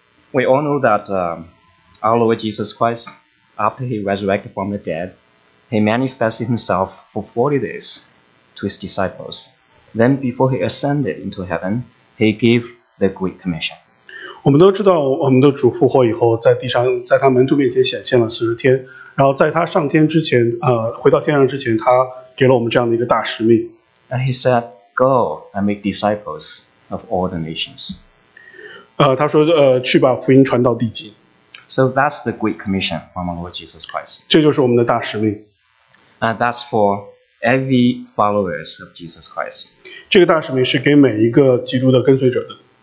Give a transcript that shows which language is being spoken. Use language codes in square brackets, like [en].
[en] We all know that our Lord Jesus Christ, after he resurrected from the dead, he manifested himself for 40 days to his disciples. Then, before he ascended into heaven, he gave the Great Commission. [zh] 我们都知道，我们的主复活以后，在地上，在他门徒面前显现了40天。然后，在他上天之前，回到天上之前，他给了我们这样的一个大使命。 [en] And he said,Go and make disciples of all the nations. [zh] 他说去把福音传到地极。 [en] So that's the great commission from our Lord Jesus Christ. [zh] 这就是我们的大使命。 [en] And that's for every followers of Jesus Christ. [zh] 这个大使命是给每一个基督的跟随者的。